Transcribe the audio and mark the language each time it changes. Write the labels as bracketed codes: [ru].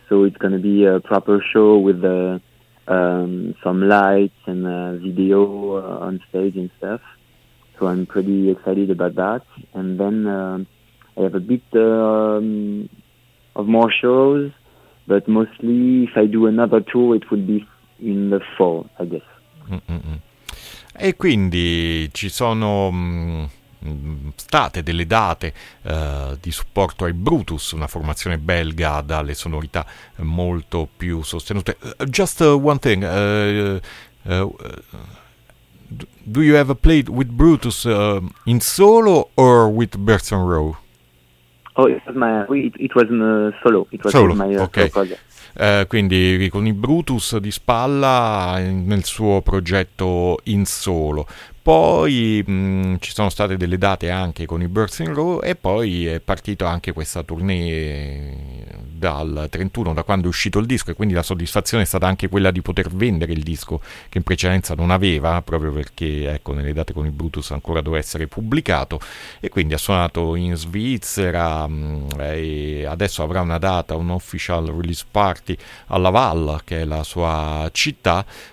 [en] So it's going to be a proper show with some lights and video on stage and stuff. So I'm pretty excited about that. And then I have a bit of more shows, but mostly if I do another tour, it would be in the fall, I guess. [it] Mm-mm-mm. E quindi ci sono state delle date di supporto ai Brutus, una formazione belga dalle sonorità molto più sostenute. [en] Just one thing, do you ever played with Brutus in solo or with Bertrand Rowe? Oh, it was solo. [it] Quindi con i Brutus di spalla nel suo progetto in solo. Poi ci sono state delle date anche con i Birds in Row e poi è partito anche questa tournée dal 31, da quando è uscito il disco, e quindi la soddisfazione è stata anche quella di poter vendere il disco che in precedenza non aveva, proprio perché ecco, nelle date con i Brutus ancora doveva essere pubblicato, e quindi ha suonato in Svizzera e adesso avrà una data, un [en] official release party [it] a Laval, che è la sua città.